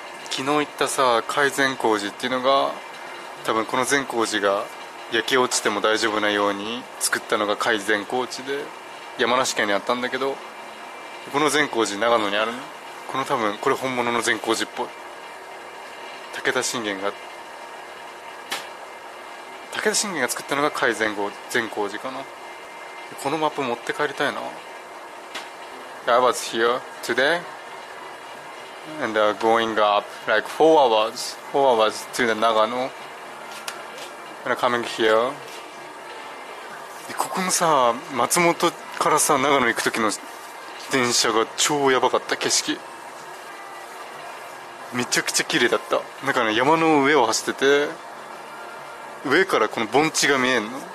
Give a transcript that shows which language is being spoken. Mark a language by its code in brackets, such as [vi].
[ja] 昨日行ったさ、海善光寺っていうのが、多分この善光寺が焼け落ちても大丈夫なように作ったのが海善光寺で、山梨県にあったんだけど、この善光寺長野にあるの。この多分これ本物の善光寺っぽい。武田信玄が、武田信玄が作ったのが海善光、善光寺かな。このマップ持って帰りたいな。 [en] I was here today and going up like 4 hours to the Nagano and coming here。 [ja] ここのさ、松本からさ長野行く時の電車が超ヤバかった。景色めちゃくちゃ綺麗だった。なんかね、山の上を走ってて、上からこの盆地が見えんの。